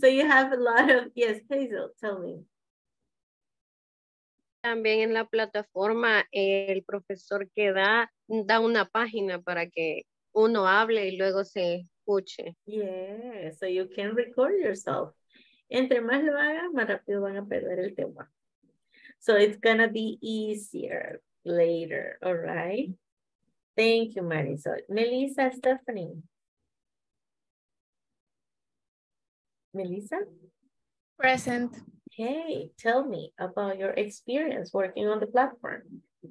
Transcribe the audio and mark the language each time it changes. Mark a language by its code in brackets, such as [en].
[en] So you have a lot of, yes, Hazel, tell me. [es] También en la plataforma, el profesor que da una página para que uno hable y luego se escuche. [en] Yes, so you can record yourself. [es] Entre más lo hagan, más rápido van a perder el tema. [en] So it's gonna be easier later, all right? Thank you, Marisol. Melissa, Stephanie. Melissa? Present. Hey, tell me about your experience working on the platform.